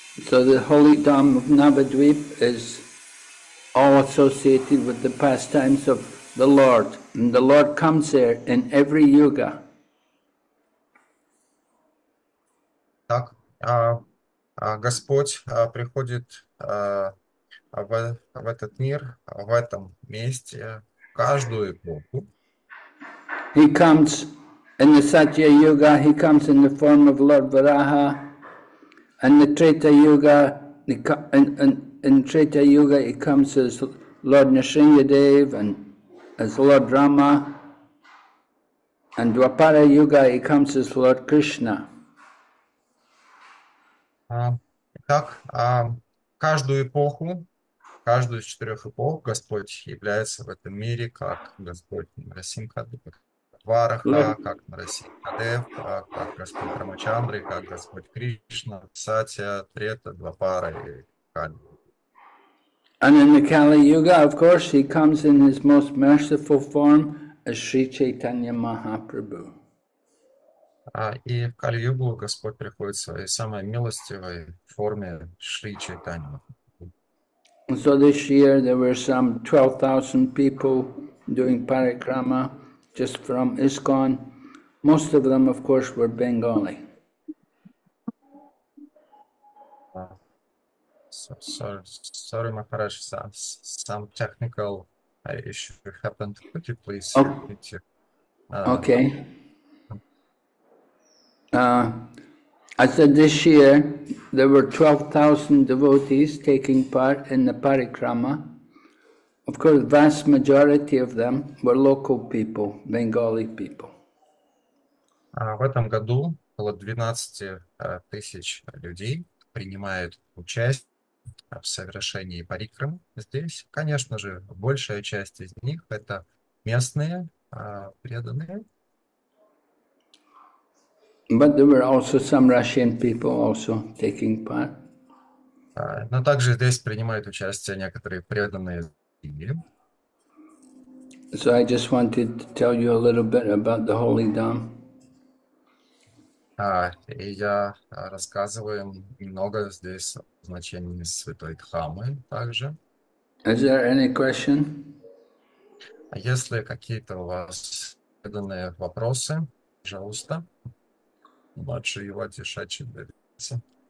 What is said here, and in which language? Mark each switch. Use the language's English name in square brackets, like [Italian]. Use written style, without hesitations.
[English] So the holy dham of Navadvip is all associated with the pastimes of the Lord, and the Lord comes there in every yoga. [Russian] Так. Господь приходит в этот мир, в этом месте, в каждую эпоху. [English] He comes in the Satya Yuga, he comes in the form of Lord Varaha, and the Treta Yuga, in Treta Yuga he comes as Lord Nrisimhadev and as Lord Rama, and Dwapara Yuga he comes as Lord Krishna. [Russian] Итак, каждую эпоху, каждую из 4 эпох Господь является в этом мире как Господь Нарасимха Двараха, как Нарасимха Дев, как Господь Рамачандры, как Господь Кришна, Сатья, Трета, Двапара и Кали. [English] And in the Kali Yuga, of course, he comes in his most merciful form as Sri Chaitanya Mahaprabhu. [Russian] И в Кали-югу Господь приходит в своей самой милостивой форме Шри Чайтанья. [English] So this year there were some 12,000 people doing Parikrama just from ISKCON. Most of them, of course, were Bengali. Sorry, Maharaj, some technical issue happened. Could you please Oh. repeat your Okay. I said this year there were 12,000 devotees taking part in the Parikrama. Of course, the vast majority of them were local people, Bengali people. [Russian] В этом году около 12 тысяч людей принимают участие в совершении парикрамы здесь. Конечно же, большая часть из них — это местные преданные. [English] But there were also some Russian people also taking part. [Russian] Но также здесь принимают участие некоторые преданные. [English] So I just wanted to tell you a little bit about the Holy Dham. [Russian] И я рассказываю им немного здесь о значении Святой Дхаммы также. [English] Is there any question? [Russian] А если какие-то у вас преданные вопросы, пожалуйста, младший его тишачий дается.